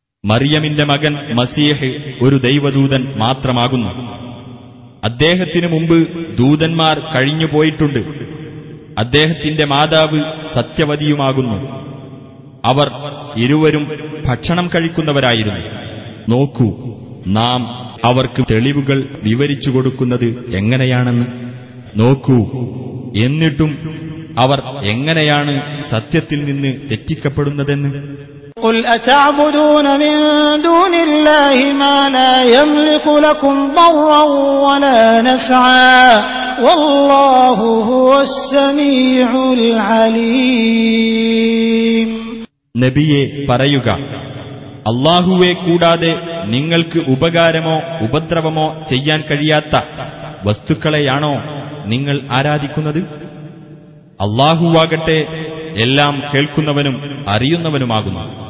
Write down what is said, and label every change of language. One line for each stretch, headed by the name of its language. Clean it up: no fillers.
Arabic: مريم ابن مغن مسيح
Malayalam: ഒരു ദൈവദൂതൻ മാത്രമാകുന്നു. അദ്ദേഹത്തിന് മുമ്പ് ദൂതന്മാർ കഴിഞ്ഞുപോയിട്ടുണ്ട്. അദ്ദേഹത്തിന്റെ മാതാവ് സത്യവതിയുമാകുന്നു. അവർ ഇരുവരും ഭക്ഷണം കഴിക്കുന്നവരായിരുന്നു. നോക്കൂ, നാം അവർക്ക് തെളിവുകൾ വിവരിച്ചു കൊടുക്കുന്നത് എങ്ങനെയാണെന്ന് നോക്കൂ. എന്നിട്ടും അവർ എങ്ങനെയാണ് സത്യത്തിൽ നിന്ന് തെറ്റിക്കപ്പെടുന്നതെന്ന്.
Arabic: قل أتعبدون من دون الله ما لا يملك لكم ضرا ولا نفعا والله هو السميع العليم
Malayalam: നബിയെ പറയുക, അല്ലാഹുവെ കൂടാതെ നിങ്ങൾക്ക് ഉപകാരമോ ഉപദ്രവമോ ചെയ്യാൻ കഴിയാത്ത വസ്തുക്കളെയാണോ നിങ്ങൾ ആരാധിക്കുന്നത്? അല്ലാഹുവാകട്ടെ എല്ലാം കേൾക്കുന്നവനും അറിയുന്നവനുമാകുന്നു.